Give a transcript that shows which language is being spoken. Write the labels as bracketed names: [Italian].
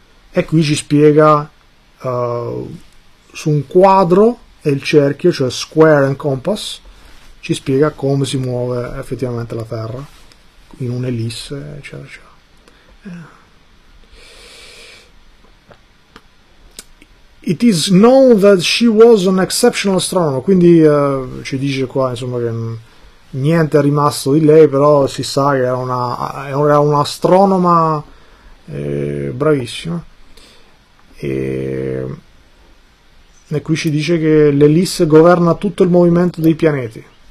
[Italian] E qui ci spiega, su un quadro e il cerchio, cioè [English] square and compass, [Italian] ci spiega come si muove effettivamente la Terra in un'ellisse, eccetera, eccetera. [English] It is known that she was an exceptional astronomer. [Italian] Quindi ci dice qua, insomma, che niente è rimasto di lei, però si sa che era un'astronoma bravissima. E qui ci dice che l'ellisse governa tutto il movimento dei pianeti.